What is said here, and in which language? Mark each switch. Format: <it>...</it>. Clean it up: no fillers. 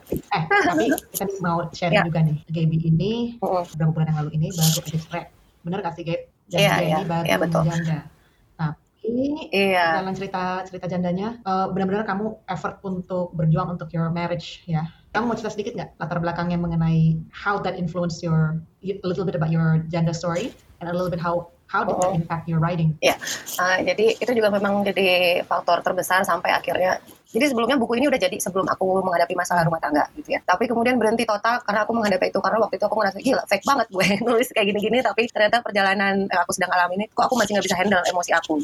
<id>Tapi kita mau share ya. Juga nih Gaby ini beberapa bulan yang lalu ini baru ada spread, benar gak sih Gaby? Dan ya, dia ya. Ini baru ya, betul. Janda. Tapi ya. Dalam cerita jandanya benar-benar kamu effort untuk berjuang untuk</id> <en>your marriage</en> <id>ya. Kamu mau cerita sedikit gak latar belakangnya mengenai</id> <en>how that influence your a little bit about your janda story and a little bit how did that impact your writing?</en> <id>Ya, jadi itu juga memang jadi faktor terbesar sampai akhirnya. Jadi sebelumnya buku ini udah jadi sebelum aku menghadapi masalah rumah tangga gitu ya. Tapi kemudian berhenti total karena aku menghadapi itu. Karena waktu itu aku ngerasa, gila, fake banget gue nulis kayak gini-gini. Tapi ternyata perjalanan yang aku sedang alami ini, kok aku masih gak bisa handle emosi aku.</id>